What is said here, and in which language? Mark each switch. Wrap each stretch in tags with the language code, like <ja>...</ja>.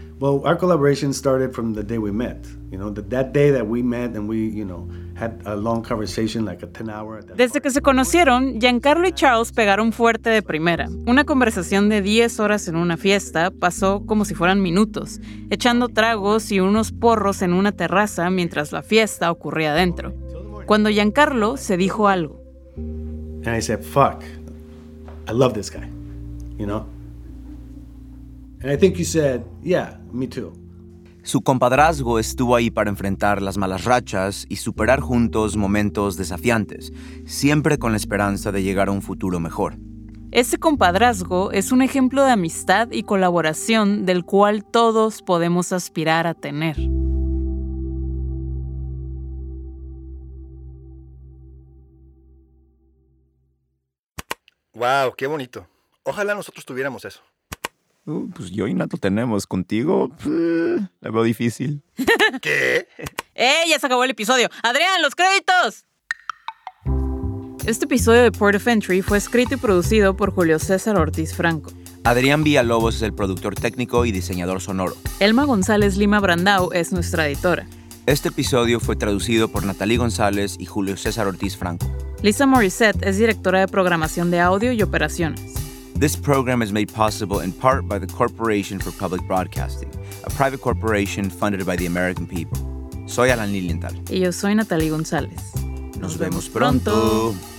<en>Well, our collaboration started from the day we met. You know, that day that we met and we, you know, had a long conversation, like a 10-hour.</en> <es>Desde que se conocieron, Giancarlo y Charles pegaron fuerte de primera. Una conversación de 10 horas en una fiesta pasó como si fueran minutos, echando tragos y unos porros en una terraza mientras la fiesta ocurría adentro. Cuando Giancarlo se dijo algo.</es> <en>And I said, fuck, I love this guy, you know? And I think you said, yeah, me too.</en> <es>Su compadrazgo estuvo ahí para enfrentar las malas rachas y superar juntos momentos desafiantes, siempre con la esperanza de llegar a un futuro mejor. Ese compadrazgo es un ejemplo de amistad y colaboración del cual todos podemos aspirar a tener. Wow, qué bonito. Ojalá nosotros tuviéramos eso. Pues yo y Nat lo tenemos. Contigo, la veo difícil. ¿Qué? ¡Eh! Ya se acabó el episodio. ¡Adrián, los créditos! Este episodio de Port of Entry fue escrito y producido por Julio César Ortiz Franco. Adrián Villalobos es el productor técnico y diseñador sonoro. Elma González Lima Brandao es nuestra editora. Este episodio fue traducido por Natalie González y Julio César Ortiz Franco. Lisa Morissette es directora de programación de audio y operaciones.</es> <en>This program is made possible in part by the Corporation for Public Broadcasting, a private corporation funded by the American people.</en> <es>Soy Alan Lilienthal. Y yo soy Natalie González. Nos vemos pronto.</es>